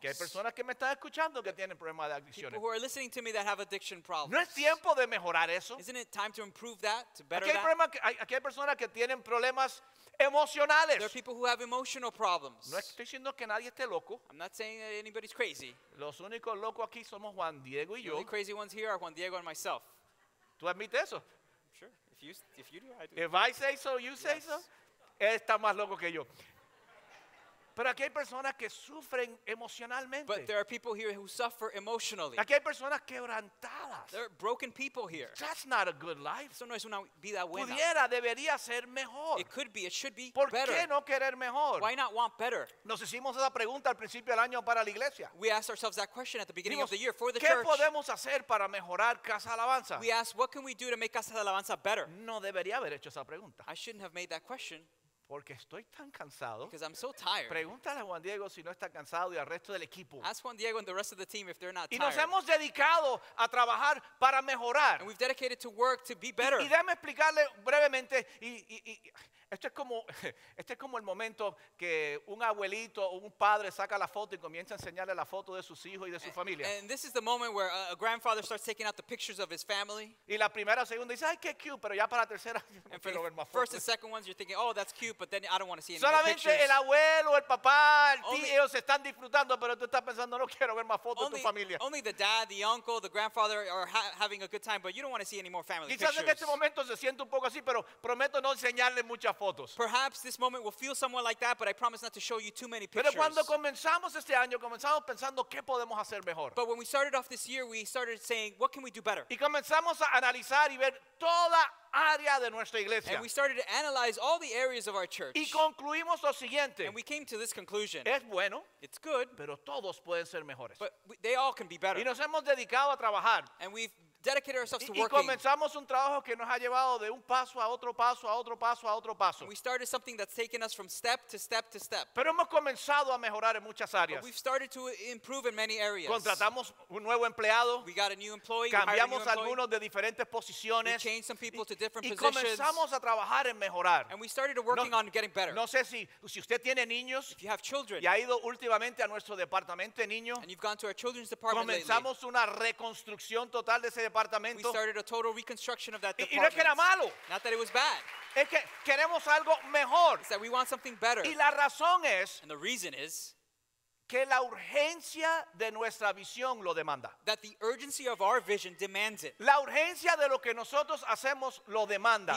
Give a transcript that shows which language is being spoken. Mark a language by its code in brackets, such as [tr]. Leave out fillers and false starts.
[es] ¿Qué hay personas que me están escuchando que tienen problemas de adicciones? [en] People who are listening to me that have addiction problems. [es] ¿No es tiempo de mejorar eso? [en] Isn't it time to improve that, to better [es] aquí hay [en] that? [es] Aquí hay personas que tienen problemas emocionales. [en] There are people who have emotional problems. [es] No estoy diciendo que nadie esté loco. [en] I'm not saying that anybody's crazy. [es] Los únicos locos aquí somos Juan Diego y [en] the [es] yo. [en] The only crazy ones here are Juan Diego and myself. [es] ¿Tú admites eso? [en] Sure. If you do, I do. If I say so, you say yes. [es] So. Él está más loco que yo. Pero aquí hay personas que sufren emocionalmente. [en] But there are people here who suffer emotionally. [es] Aquí hay personas quebrantadas. [en] There are broken people here. That's not a good life. [es] Eso no es una vida buena. Pudiera, debería ser mejor. [en] It could be, it should be [es] ¿por [en] better. [es] ¿Por qué no querer mejor? [en] Why not want better? [es] Nos hicimos esa pregunta al principio del año para la iglesia. [en] We asked ourselves that question at the beginning of the year for the [es] ¿qué [en] church. [es] ¿Qué podemos hacer para mejorar Casa Alabanza? [en] We asked, what can we do to make Casa Alabanza better? [es] No debería haber hecho esa pregunta. [en] I shouldn't have made that question. [es] Porque estoy tan cansado. [en] Because I'm so tired. [es] Pregúntale a Juan Diego si no está cansado y al resto del equipo. [en] Ask Juan Diego and the rest of the team if they're not tired. [es] Y nos hemos dedicado a trabajar para mejorar. [en] And we've dedicated to work to be better. [es] Y déjame explicarle brevemente. Esto es como el momento que un abuelito o un padre saca la foto y comienza a enseñarle la foto de sus hijos y de su familia. [en] And this is the moment where a grandfather starts taking out the pictures of his family. [es] Y la primera o segunda dice, ay, qué cute, pero ya para la tercera, no quiero ver más fotos. [en] First and second ones, you're thinking, oh, that's cute, but then I don't want to see any [es] solamente [en] pictures. [es] El abuelo, el papá, el tío, ellos se están disfrutando, pero tú estás pensando, no quiero ver más fotos de tu familia. [en] Only the dad, the uncle, the grandfather are having a good time, but you don't want to see any more family [es] quizás [en] pictures. [es] Quizás en este momento se siente un poco así, pero prometo no enseñarle muchas fotos. [en] Perhaps this moment will feel somewhat like that, but I promise not to show you too many pictures. [es] Pero cuando comenzamos este año, comenzamos pensando qué podemos hacer mejor. [en] But when we started off this year, we started saying, what can we do better? [es] Y comenzamos a analizar y ver toda área de nuestra iglesia. [en] And we started to analyze all the areas of our church. [es] Y concluimos lo siguiente. [en] And we came to this conclusion. [es] Es bueno. [en] It's good. [es] Pero todos pueden ser mejores. [en] But they all can be better. [es] Y nos hemos dedicado a trabajar. [en] And we've dedicated ourselves to working. [es] Y comenzamos un trabajo que nos ha llevado de un paso a otro paso a otro paso a otro paso. [en] We started something that's taken us from step to step to step. [es] Pero hemos comenzado a mejorar en muchas áreas. [en] But we've started to improve in many areas. [es] Contratamos un nuevo empleado. [en] We got a new employee. [es] Cambiamos algunos de diferentes posiciones. [en] We changed some people to different positions. [es] Y comenzamos a trabajar en mejorar. [en] And we started working on getting better. [es] No sé si usted tiene niños. [en] If you have children. [es] Y ha ido últimamente a nuestro departamento de niños. [en] And you've gone to our children's department. [es] Comenzamos [en] lately. [es] Una reconstrucción total de ese departamento. [en] We started a total reconstruction of that department. [es] Y no es que era malo. [en] Not that it was bad. [es] Es que queremos algo mejor. [en] It's that we want something better. [es] Y la razón es. [en] And the reason is. [es] Que la urgencia de nuestra visión lo demanda. [en] That the urgency of our vision demands it. [es] La urgencia de lo que nosotros hacemos lo demanda.